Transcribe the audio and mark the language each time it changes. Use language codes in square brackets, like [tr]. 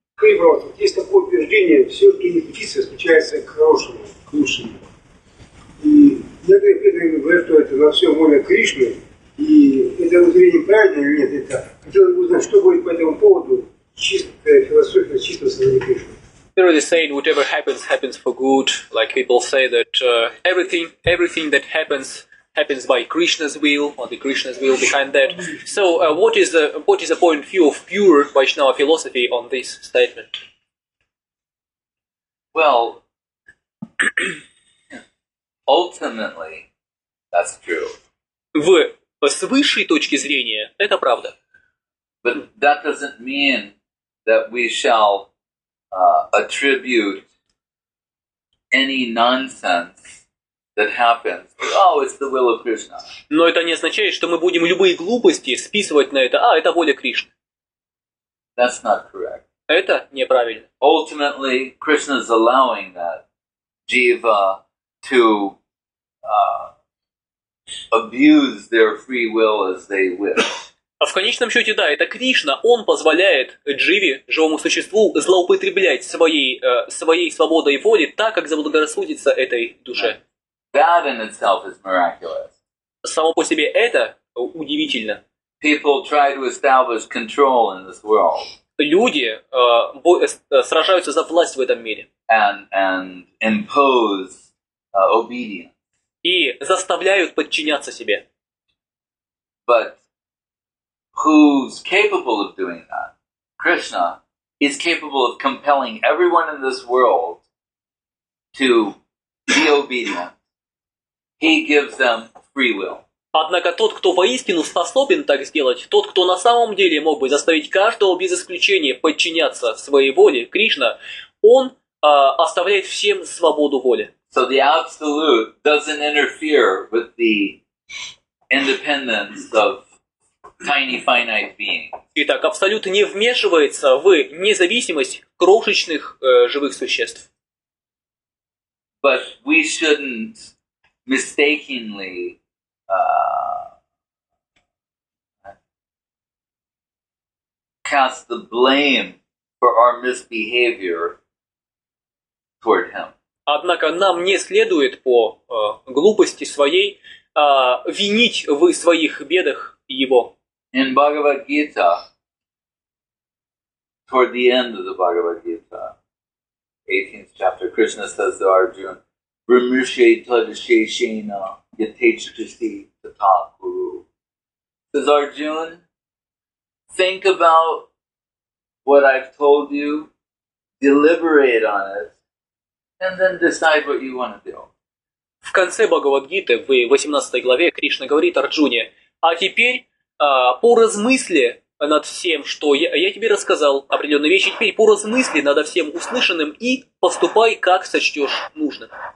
[ru] говорим, брат, вот есть такое убеждение, все, что не птица, случается к хорошему, к лучшему. И я говорю, что это на все воля Кришны, и это воззрение правильно или нет, это хотелось бы узнать, что будет по этому поводу, чистая философия, чистого сознания Кришны. [en] There is a saying, whatever happens, happens for good. Like people say that everything that happens, happens by Krishna's will, or the Krishna's will behind that. So what is the point of view of pure Vaishnava philosophy on this statement? Well, ultimately, that's true. [ru] В высшей точке зрения, это правда. [en] But that doesn't mean that we shall attribute any nonsense that happens. Oh, it's the will of Krishna. [ru] Но это не означает, что мы будем любые глупости списывать на это. А, это воля Кришны. [en] That's not correct. [ru] Это неправильно. [en] Ultimately, Krishna is allowing that jiva to abuse their free will as they will. [ru] А в конечном счете, да, это Кришна, он позволяет дживе, живому существу, злоупотреблять своей свободой воли так, как заблагорассудится этой душе. [en] That in itself is miraculous. [ru] Само по себе это удивительно. [en] People try to establish control in this world. [ru] Люди сражаются за власть в этом мире. [en] And impose obedience. [ru] И заставляют подчиняться себе. [en] But who's capable of doing that? Krishna is capable of compelling everyone in this world to be obedient. He gives them free will. [ru] Однако тот, кто воистину способен так сделать, тот, кто на самом деле мог бы заставить каждого без исключения подчиняться своей воле, Кришна, он оставляет всем свободу воли. [en] So the absolute doesn't interfere with the independence of tiny, finite beings. [ru] Итак, абсолют не вмешивается в независимость крошечных живых существ. [en] But we shouldn't mistakenly cast the blame for our misbehavior toward him. [ru] Однако нам не следует по глупости своей винить в своих бедах его. [en] In Bhagavad Gita, toward the end of the Bhagavad Gita, 18th chapter, Krishna says to Arjuna, [sa] "Vrimushe tadashe shena yatechitasi tata kuru." [en] Says Arjuna, think about what I've told you, deliberate on it, and then decide what you want to do. [ru] В конце Бхагавад Гиты, в 18 главе, Кришна говорит Арджуне, а теперь поразмысли над всем, что я тебе рассказал определенные вещи, теперь поразмысли над всем услышанным и поступай, как сочтешь нужным.